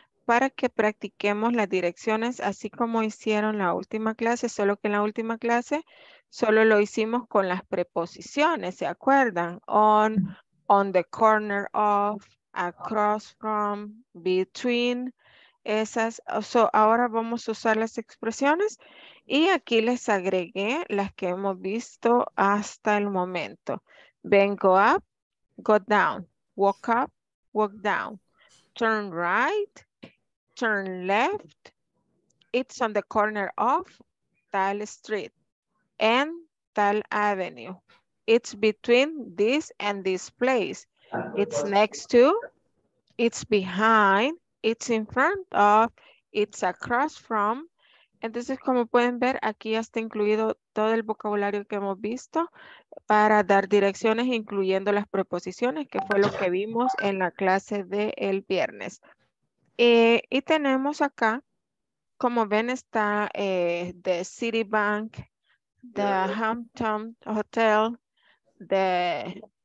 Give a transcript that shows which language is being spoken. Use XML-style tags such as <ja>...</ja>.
<es>Para que practiquemos las direcciones así como hicieron la última clase, solo que en la última clase solo lo hicimos con las preposiciones, ¿se acuerdan?</es> <en>On the corner of, across from, between.</en> <es>Esas, so ahora vamos a usar las expresiones y aquí les agregué las que hemos visto hasta el momento.</es> <en>Ven, go up, go down, walk up, walk down, turn right, turn left, it's on the corner of tal street and tal avenue. It's between this and this place. It's next to, it's behind, it's in front of, it's across from.</en> <es>Entonces, como pueden ver, aquí ya está incluido todo el vocabulario que hemos visto para dar direcciones, incluyendo las preposiciones, que fue lo que vimos en la clase del viernes. Y tenemos acá, como ven, está the Citibank, the Hampton Hotel, the</es>